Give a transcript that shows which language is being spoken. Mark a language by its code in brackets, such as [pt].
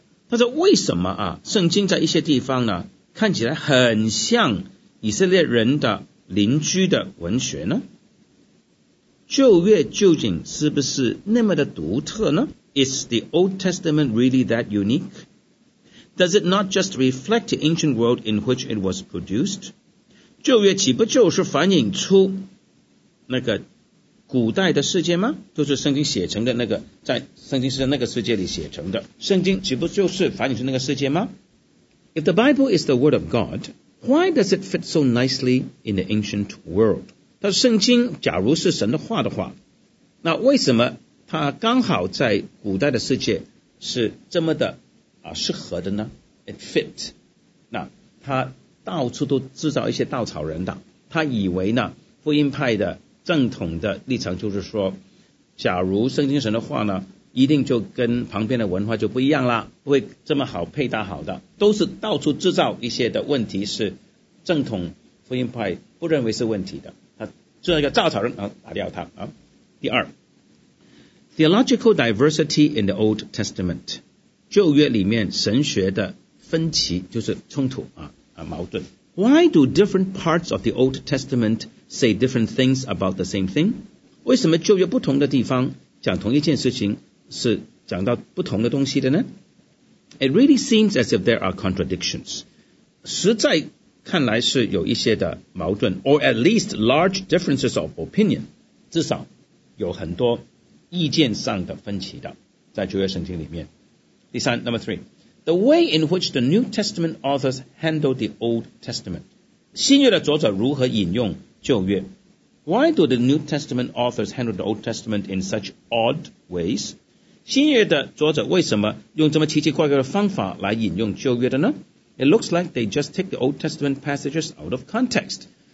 [zh] 他说为什么啊？圣经在一些地方呢，看起来很像以色列人的邻居的文学呢？旧约究竟是不是那么的独特呢？ [en] Is the Old Testament really that unique? Does it not just reflect the ancient world in which it was produced? [zh] 旧约岂不就是反映出那个古代的世界吗？就是圣经写成的那个，在圣经是那个世界里写成的。圣经岂不就是反映出那个世界吗？ [en] If the Bible is the word of God, why does it fit so nicely in the ancient world? [zh] 但圣经假如是神的话的话，那为什么它刚好在古代的世界是这么的适合的呢？ [en] It fit， [zh] 那他到处都制造一些稻草人的，他以为呢福音派的正统的立场就是说，假如圣经神的话呢一定就跟旁边的文化就不一样了，不会这么好配搭好的，都是到处制造一些的问题，是正统福音派不认为是问题的，他制造一个稻草人然后打掉他啊。第二， [en] Theological diversity in the Old Testament， [zh] 旧约里面神学的分歧就是冲突矛盾。 [en] Why do different parts of the Old Testament say different things about the same thing？ [zh] 为什么旧约不同的地方讲同一件事情是讲到不同的东西的呢？ [en] It really seems as if there are contradictions. [zh] 实在看来是有一些的矛盾 [en] or at least large differences of opinion. [zh] 至少有很多意见上的分歧的在旧约圣经里面。第三 [en] number three, the way in which the New Testament authors handle the Old Testament. [zh] 新约的作者如何引用旧约？ [en] Why do the New Testament authors handle the Old Testament in such odd ways? [zh] 新约的作者为什么用这么奇奇怪怪的方法来引用旧约的呢？ [en] It looks like they just take the Old Testament passages out of context.